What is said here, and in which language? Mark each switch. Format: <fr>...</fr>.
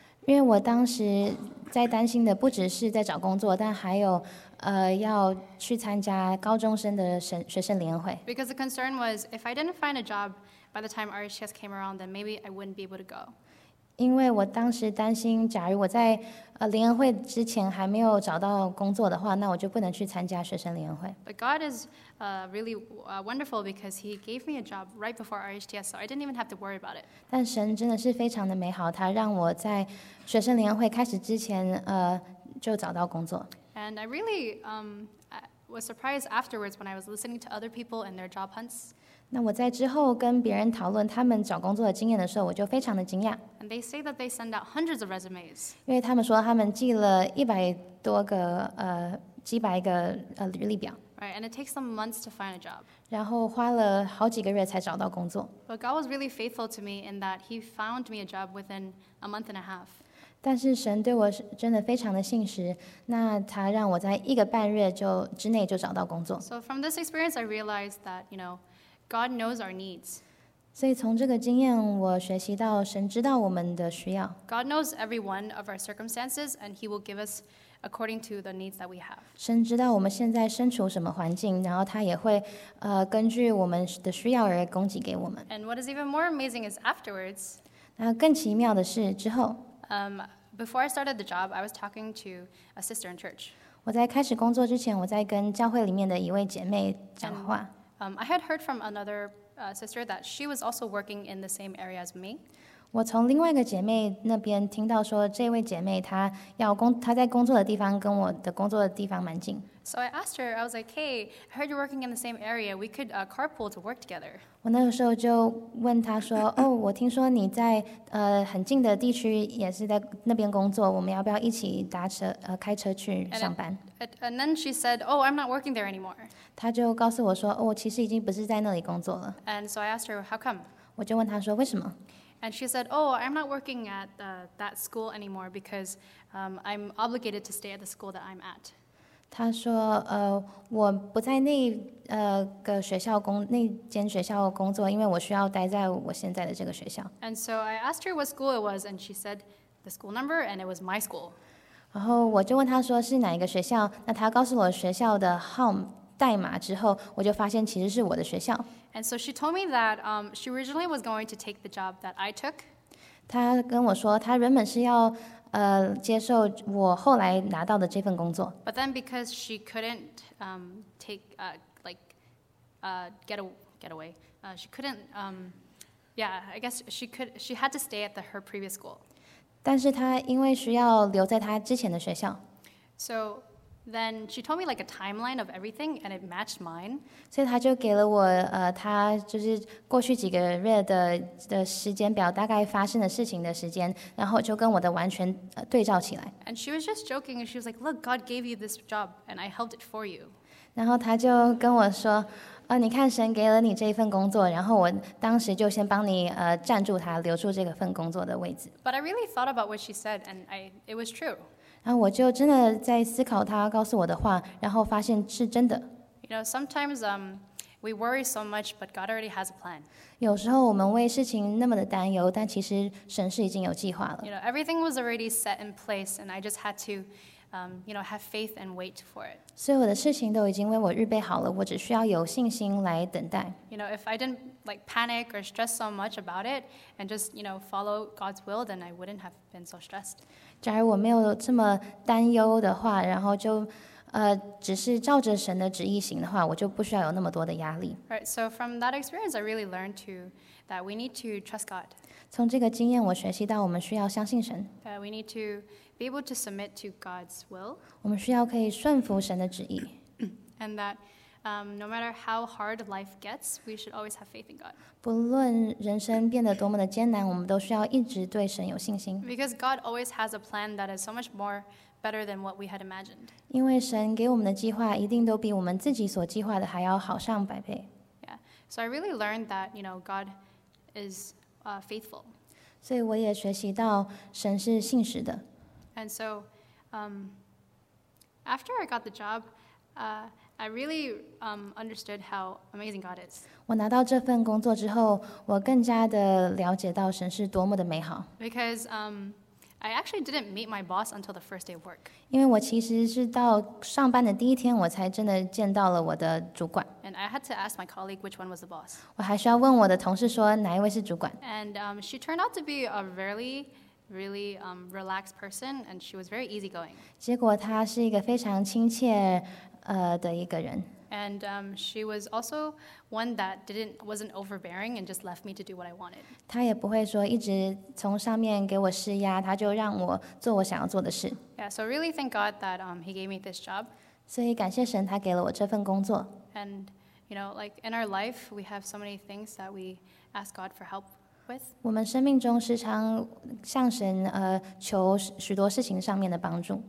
<zh>因为我当时在担心的不只是在找工作，但还有要去参加高中生的学生联会。</zh> <en>Because the concern was if I didn't find a job by the time RHTS came around, then maybe I wouldn't be able to go.</en> <zh>因为我当时担心，假如我在联会之前还没有找到工作的话，那我就不能去参加学生联会。</zh> <en>But God is really wonderful because He gave me a job right before RHTS, so I didn't even have to worry about it.</en> <zh>但神真的是非常的美好，他让我在学生联会开始之前就找到工作。</zh> <en>And I really was surprised afterwards when I was listening to other people and their job hunts.</en> <zh>那我在之后跟别人讨论他们找工作的经验的时候，我就非常的惊讶。</zh> <en>And they say that they send out hundreds of resumes.</en> <zh>因为他们说他们寄了一百多个几百个履历表。</zh> <en>Right, and it takes them months to find a job.</en> <zh>然后花了好几个月才找到工作。</zh> <en>But God was really faithful to me in that He found me a job within a month and a half.</en> <zh>但是神对我真的非常的信实，那他让我在一个半月之内就找到工作。</zh> <en>So from this experience, I realized that you know. God knows our needs.</en> <zh>所以从这个经验，我学习到神知道我们的需要。</zh> <en>God knows every one of our circumstances, and He will give us according to the needs that we have.</en> <zh>神知道我们现在身处什么环境，然后他也会根据我们的需要而供给给我们。</zh> <en>And what is even more amazing is afterwards.</en> <zh>那更奇妙的是之后。</zh> <en>Before I started the job, I was talking to a sister in church.</en> <zh>我在开始工作之前，我在跟教会里面的一位姐妹讲话。</zh> <en>I had heard from another sister that she was also working in the same area as me.</en> <zh>我从另外一个姐妹那边听到说，这位姐妹她在工作的地方跟我的工作的地方蛮近。</zh> <en>So I asked her, I was like, hey, I heard you're working in the same area. We could carpool to work together.</en> <zh>我那个时候就问她说，哦，我听说你在很近的地区也是在那边工作，我们要不要一起搭车开车去上班？</zh> <en>And then she said, oh, I'm not working there anymore.</en> <zh>她就告诉我说，哦，我其实已经不是在那里工作了。</zh> <en>And so I asked her, how come?</en> <zh>我就问她说，为什么？</zh> <en>And she said, oh, I'm not working at that school anymore because I'm obligated to stay at the school that I'm at.</en> <zh>她说，我不在那个学校那间学校工作，因为我需要待在我现在的这个学校。</zh> <en>And so I asked her what school it was, and she said the school number, and it was my school.</en> <zh>然后我就问他说是哪一个学校，那他告诉我学校的号代码之后，我就发现其实是我的学校。</zh> <en>And so she told me that she originally was going to take the job that I took.</en> <zh>他跟我说他原本是要接受我后来拿到的这份工作。</zh> <en>But then because she couldn't she had to stay at her previous school.</en> <zh>但是他因为需要留在他之前的学校。</zh> <en>So then she told me like a timeline of everything and it matched mine.</en> <zh>所以他就给了我他就是过去几个月 的时间表大概发生的事情的时间，然后就跟我的完全对照起来。</zh> <en>And she was just joking and she was like, look, God gave you this job and I held it for you.</en> <zh>然后他就跟我说，哦，你看神给了你这份工作，然后我当时就先帮你站住他，留住这个份工作的位置。</zh> <en>But I really thought about what she said, and it was true.</en> <zh>然后我就真的在思考他告诉我的话，然后发现是真的。</zh> <en>You know, sometimes we worry so much, but God already has a plan.</en> <zh>有时候我们为事情那么的担忧，但其实神是已经有计划了。</zh> <en>You know, everything was already set in place, and I just had to, have faith and wait for it.</en> <zh>所有的事情都已经为我预备好了，我只需要有信心来等待。</zh> <en>You know, if I didn't like panic or stress so much about it, and just follow God's will, then I wouldn't have been so stressed.</en> <zh>假如我没有这么担忧的话，然后就只是照着神的旨意行的话，我就不需要有那么多的压力。</zh> <en>Right, so from that experience, I really learned that we need to trust God.</en> <zh>从这个经验，我学习到我们需要相信神。</zh> <en>That we need to be able to submit to God's will.</en> <zh>我们需要可以顺服神的旨意。</zh> <en>And that, no matter how hard life gets, we should always have faith in God.</en> <zh>不论人生变得多么的艰难，我们都需要一直对神有信心。</zh> <en>Because God always has a plan that is so much more better than what we had imagined.</en> <zh>因为神给我们的计划一定都比我们自己所计划的还要好上百倍。</zh> <en>Yeah, so I really learned that, God is faithful.</en> <zh>所以我也学习到神是信实的。</zh> <en>And so, after I got the job, I really understood how amazing God is.</en> <zh>我拿到这份工作之后，我更加的了解到神是多么的美好。</zh> <en>Because I actually didn't meet my boss until the first day of work.</en> <zh>因为我其实是到上班的第一天，我才真的见到了我的主管。</zh> <en>And I had to ask my colleague which one was the boss.</en> <zh>我还需要问我的同事说哪一位是主管。</zh> <en>And she turned out to be a really, really relaxed person, and she was very easygoing.</en> <zh>结果她是一个非常亲切的一个人。</zh> <en>And she was also one that wasn't overbearing and just left me to do what I wanted.</en> <zh>她也不会说一直从上面给我施压，她就让我做我想要做的事。</zh> <en>Yeah, so really thank God that he gave me this job.</en> <zh>所以感谢神，他给了我这份工作。</zh> <en>And in our life, we have so many things that we ask God for help with.</en> <zh>我们生命中时常向神求许多事情上面的帮助。</zh>